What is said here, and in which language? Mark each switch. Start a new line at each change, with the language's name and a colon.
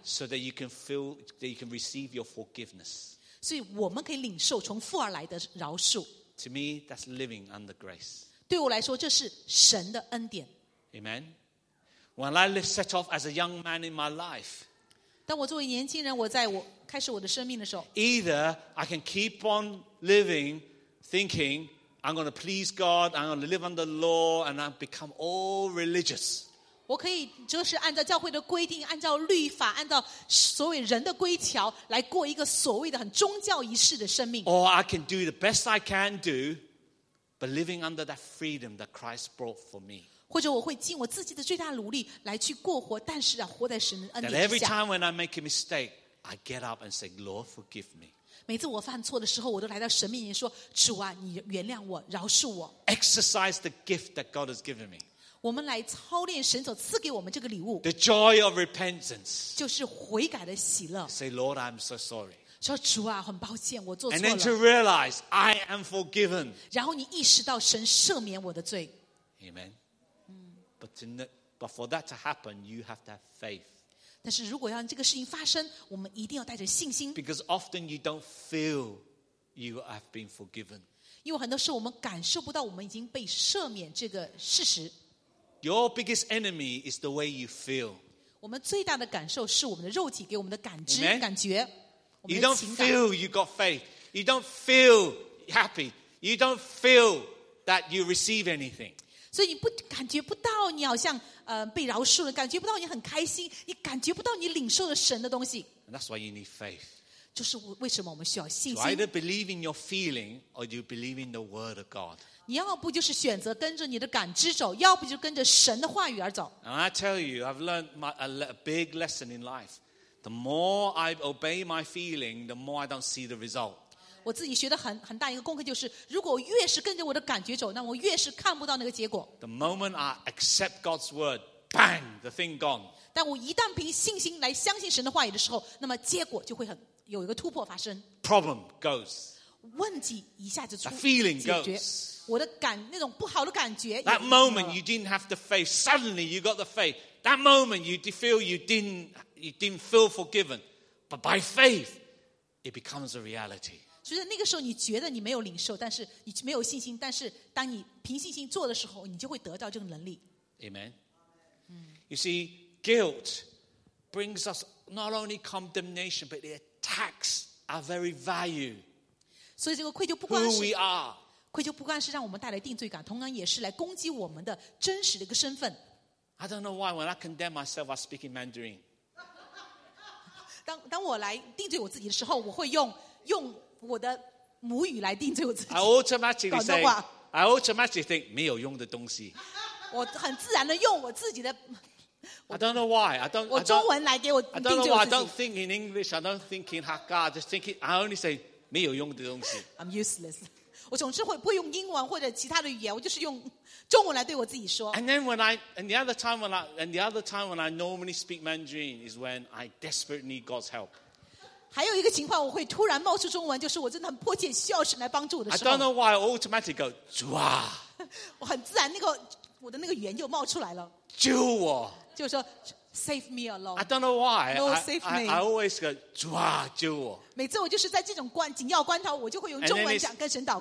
English: So that you can feel, that you can receive your forgiveness.
Chinese: 所以我们可以领受从父而来的饶恕。
English: To me, that's living under grace.
Chinese: 对我来说，这是神的恩典。
English: Amen. When I set off as a young man in my life,
Chinese: 当我作为年轻人，我在我开始我的生命的时候
English: ，either I can keep on living, thinking I'm going to please God, I'm going to live under the law, and I become all religious.
Chinese: 我可以就是按照教会的规定，按照律法，按照所谓人的规条来过一个所谓的很宗教仪式的生命。
English: Or I can do the best I can do, but living under that freedom that Christ brought for me.
Chinese: 或者我会尽我自己的最大努力来去过活，但是啊，活在神的恩典之下。
English: That every time when I make a mistake, I get up and say, "Lord, forgive me."
Chinese: 每次我犯错的时候，我都来到神面前说：“主啊，你原谅我，饶恕我。”
English: Exercise the gift that God has given me.
Chinese: 我们来操练神所赐给我们这个礼物。
English: The joy of repentance.
Chinese: 就是悔改的喜乐。
English: Say, "Lord, I'm so sorry."
Chinese: 说主啊，很抱歉，我做错
English: 了。And then to realize I am forgiven.
Chinese: 然后你意识到神赦免我的罪。
English: Amen. But for that to happen, you have to have faith.
Chinese: 但是如果要让这个事情发生，我们一定要带着信心。
English: Because often you don't feel you have been forgiven.
Chinese: 因为很多时候我们感受不到我们已经被赦免这个事实。
English: Your biggest enemy is the way you feel.
Chinese: 我们最大的感受是我们的肉体给我们的感知、感觉。
English: You don't feel you got faith. You don't feel happy. You don't feel that you receive anything.
Chinese: 所以你不感觉不到你好像被饶恕了，感觉不到你很开心，你感觉不到你领受了神的东西。
English: And that's why you need faith.
Chinese: 就是为什么我们需要信心。
English: You either believe in your feeling or you believe in the word of God.
Chinese: 你要不就是选择跟着你的感知走，要不就跟着神的话语而走。
English: And I tell you, I've learned a big lesson in life. The more I obey my feeling, the more I don't see the result.
Chinese: 我自己学的 很大一个功课就是，如果我越是跟着我的感觉走，那我越是看不到那个结果。
English: The moment I accept God's word, bang, the thing gone.
Chinese: 但我一旦凭信心来相信神的话语的时候，那么结果就会很有一个突破发生。
English: Problem goes.
Chinese: 问题一下子出。
English: The feeling goes.
Chinese: 我的感那种不好的感觉。
English: That moment you didn't have the faith, suddenly you got the faith. That moment you feel you didn't feel forgiven, but by faith, it becomes a reality.
Chinese: 所以那个时候你觉得你没有领受，但是你没有信心，但是当你凭信心做的时候，你就会得到这个能力。
English: Amen. You see, guilt brings us not only condemnation, but it attacks our very value.
Chinese: 所以这个愧疚不光是
English: who we are,
Chinese: 愧疚不光是让我们带来定罪感，同样也是来攻击我们的真实的一个身份。
English: I don't know why when I condemn myself, I speak in Mandarin.
Chinese: 当我来定罪我自己的时候，我会用我的母语来定罪我自己。
English: I automatically think
Chinese: 没有用的东西。我很自然的用我自己的。
English: I don't know why. I don't.
Chinese: 我中文来给我定罪我自己。
English: I don't know. I don't think in English. I don't think in Hakka. I just think it. I only say
Chinese: 没有用的东西。
English: I'm useless.
Chinese: 我总是会不会用英文或者其他的语言，我就是用中文来对我自己说。
English: And the other time when I normally speak Mandarin is when I desperately need God's help.
Chinese: 还有一个情况，我会突然冒出中文，就是我真的很迫切需要神来帮助我的时候。
English: I don't know why I automatically go,
Chinese: 主啊，我很自然那个我的那个语言就冒出来了。救我！就说
English: save me alone. I don't know why. No, save me. I always go,
Chinese: 主啊，救我！每次我就是在这种紧要关头，我就会用中文讲跟神祷告。